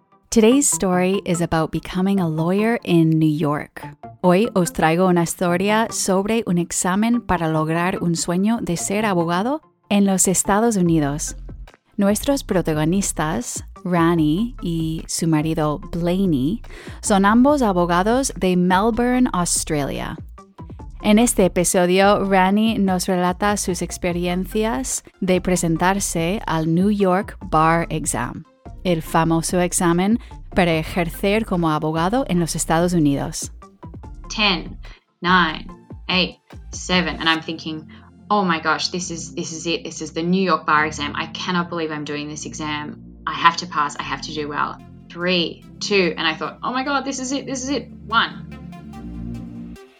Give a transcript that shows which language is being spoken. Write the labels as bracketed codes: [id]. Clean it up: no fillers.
[en] Today's story is about becoming a lawyer in New York. [es] Hoy os traigo una historia sobre un examen para lograr un sueño de ser abogado en los Estados Unidos. Nuestros protagonistas, Rani y su marido Blaney, son ambos abogados de Melbourne, Australia. En este episodio, Rani nos relata sus experiencias de presentarse al New York Bar Exam, el famoso examen para ejercer como abogado en los Estados Unidos. [en] 10, 9, 8, 7, and I'm thinking, oh my gosh, this is it. This is the New York Bar Exam. I cannot believe I'm doing this exam. I have to pass. I have to do well. 3, 2, and I thought, oh my God, this is it. 1.